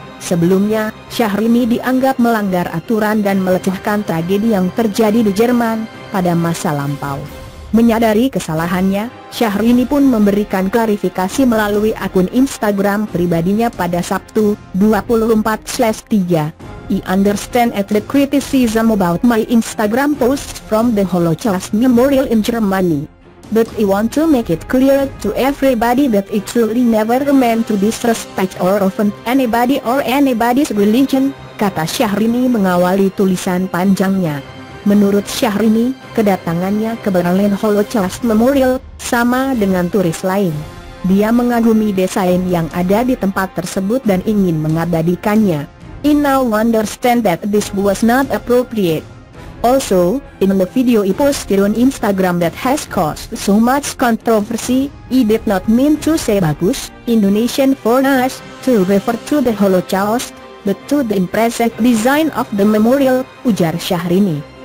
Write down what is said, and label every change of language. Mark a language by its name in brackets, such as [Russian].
[Indonesian] Sebelumnya, Syahrini dianggap melanggar aturan dan melecehkan tragedi yang terjadi di Jerman pada masa lampau. Menyadari kesalahannya, Syahrini pun memberikan klarifikasi melalui akun Instagram pribadinya pada Sabtu, 24/3. [English] I understand at the criticism about my Instagram post from the Holocaust Memorial in Germany. But I want to make it clear to everybody that it truly never meant to disrespect or offend anybody or anybody's religion, [Indonesian] kata Syahrini mengawali tulisan panjangnya. Menurut Syahrini, kedatangannya ke Berlin Holocaust Memorial sama dengan turis lain. Dia mengagumi desain yang ada di tempat tersebut dan ingin mengabadikannya. [English] I now understand that this was not appropriate. Also, in the video I posted on Instagram that has caused so much controversy, I did not mean to say bagus, Indonesian for us, to refer to the Holocaust, but to the impressive design of the memorial, [Indonesian] ujar Syahrini.